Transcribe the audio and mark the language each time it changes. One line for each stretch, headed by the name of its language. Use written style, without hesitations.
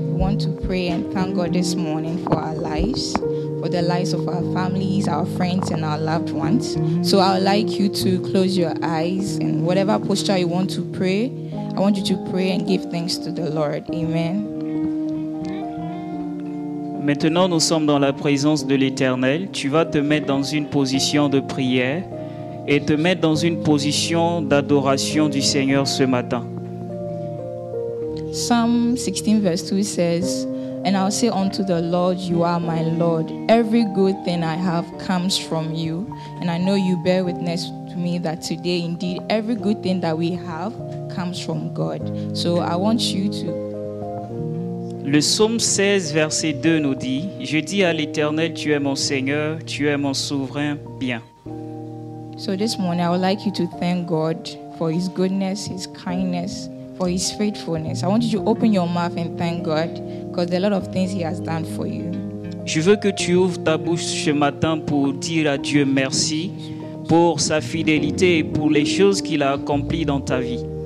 English: We want to pray and thank God this morning for our lives, for the lives of our families, our friends, and our loved ones. So I would like you to close your eyes and whatever posture you want to pray, I want you to pray and give thanks to the Lord. Amen.
French: Maintenant, nous sommes dans la présence de l'Éternel. Tu vas te mettre dans une position de prière et te mettre dans une position d'adoration du Seigneur ce matin.
English: Psalm 16 verse 2 says, and I'll say unto the Lord, you are my Lord. Every good thing I have comes from you. And I know you bear witness to me that today indeed every good thing that we have comes from God. So I want you to...
French: Le psaume 16 verset 2 nous dit, je dis à l'Éternel, tu es mon Seigneur, tu es mon souverain bien.
English: So this morning, I would like you to thank God for his goodness, his kindness, for his faithfulness. I want you to open your mouth and thank God because there are a lot of things he has done for you.
French: Je veux que tu ouvres ta bouche ce matin pour dire à Dieu merci pour sa fidélité et pour les choses qu'il a accomplies dans ta vie.